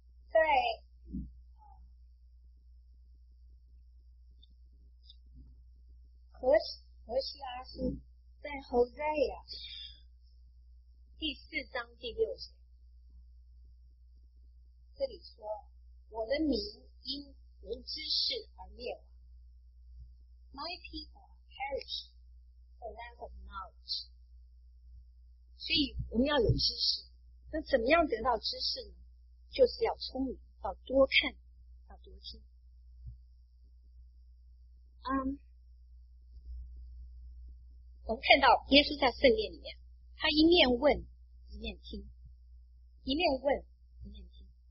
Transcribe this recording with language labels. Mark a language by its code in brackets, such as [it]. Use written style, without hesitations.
[zh] 在何西阿书，在Hosea第四章第六节，这里说，我的名因无知识而灭亡。 [en] My people perish for lack of knowledge。 [zh] 所以我们要有知识，那怎么样得到知识呢？就是要聪明，要多看，要多听。我们看到耶稣在圣殿里面，他一面问一面听，一面问一面听。